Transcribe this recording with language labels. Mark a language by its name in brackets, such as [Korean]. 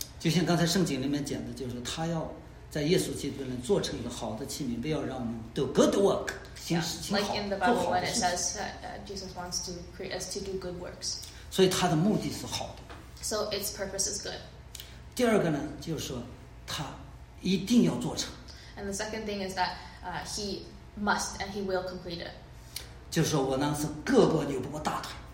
[Chinese] 就像刚才圣经里面讲的，就是他要在耶稣基督里做成一个好的器皿，不要让我们 [English] do good work， [Chinese] 行事情好。 [English] Like in the Bible, when it says Jesus wants to create us to do good works. [Chinese] 所以他的目的是好的。 [English] So its purpose is good. [Chinese] 第二个呢，就是说，他一定要做成。 [English] And the second thing is that he must and he will complete it. [Chinese] 就说我能是胳膊扭不过大腿。